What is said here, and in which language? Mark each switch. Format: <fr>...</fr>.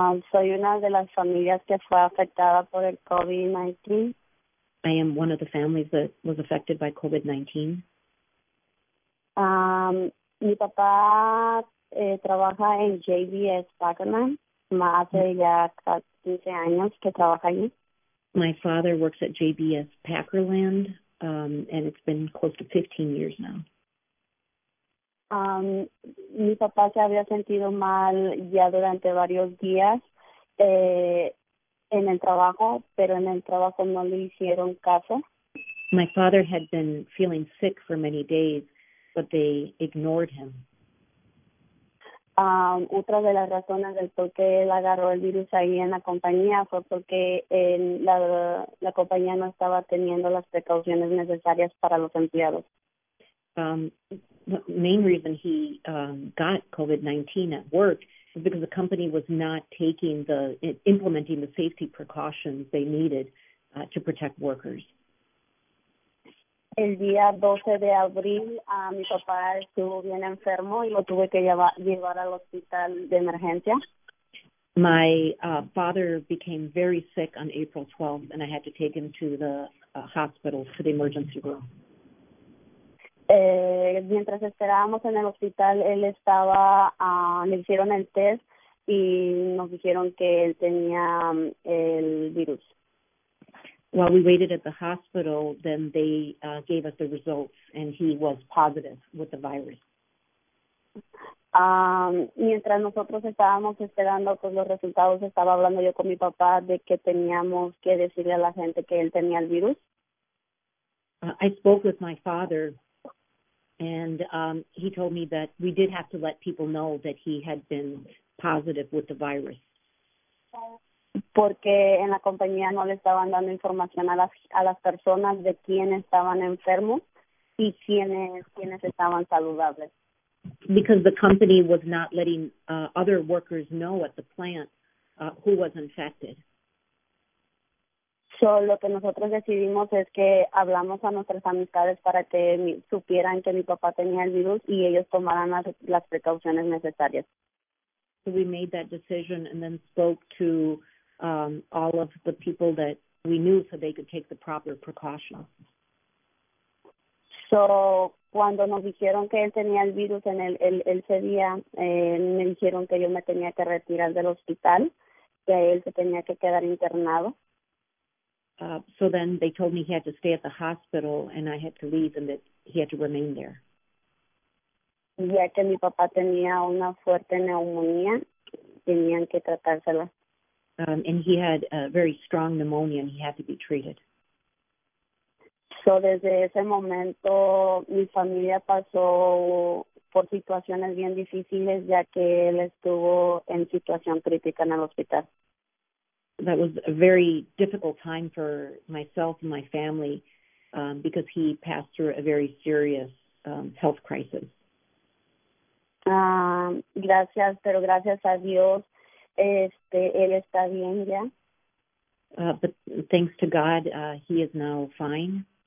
<es>Soy una de las familias que fue afectada por el COVID-19.</es> <en>I am one of the families that was affected by COVID-19.</en> <es>Mi papá trabaja en JBS Packerman. Hace ya 15 años que trabaja allí.</es> <en>My father works at JBS Packerland, and it's been close to 15 years now.</en> <es>Mi papá se había sentido mal ya durante varios días. En el trabajo, pero en el trabajo no le hicieron caso.</es> <en>My father had been feeling sick for many days, but they ignored him.</en> <es>Otra de las razones del por qué él agarró el virus ahí en la compañía fue porque la compañía no estaba teniendo las precauciones necesarias para los empleados.</es> <en>The main reason he got COVID-19 at work is because the company was not implementing the safety precautions they needed to protect workers.</en> <es>El día 12 de abril, mi papá estuvo bien enfermo y lo tuve que llevar al hospital de emergencia.</es> <en>My father became very sick on April 12th and I had to take him to the hospital for the emergency room.</en> <es>Mientras esperábamos en el hospital, él estaba, le hicieron el test y nos dijeron que él tenía el virus.</es> <en>While we waited at the hospital, then they gave us the results and he was positive with the virus.</en> <es>Mientras nosotros estábamos esperando pues, los resultados, estaba hablando yo con mi papá de que teníamos que decirle a la gente que él tenía el virus.</es> <en>I spoke with my father and he told me that we did have to let people know that he had been positive with the virus.</en> <es>Porque en la compañía no le estaban dando información a las personas de quién estaban enfermos y quiénes estaban saludables.</es> <en>Because the company was not letting other workers know at the plant who was infected.</en> <es>So lo que nosotros decidimos es que hablamos a nuestras amistades para que supieran que mi papá tenía el virus y ellos tomaran las precauciones necesarias.</es> <en>So we made that decision and then spoke to all of the people that we knew so they could take the proper precautions.</en> <es>So cuando nos dijeron que él tenía el virus en el ese día, me dijeron que yo me tenía que retirar del hospital, que él se tenía que quedar internado.</es> <en>So then they told me he had to stay at the hospital and I had to leave and that he had to remain there.</en> <es>Ya que mi papá tenía una fuerte neumonía, tenían que tratársela.</es> <en>And he had a very strong pneumonia and he had to be treated.</en> <es>So desde ese momento mi familia pasó por situaciones bien difíciles ya que él estuvo en situación crítica en el hospital.</es> <en>That was a very difficult time for myself and my family because he passed through a very serious health crisis.</en> <es>Gracias, pero gracias a Dios, él está bien ya.</es> <en>But thanks to God, he is now fine.</en>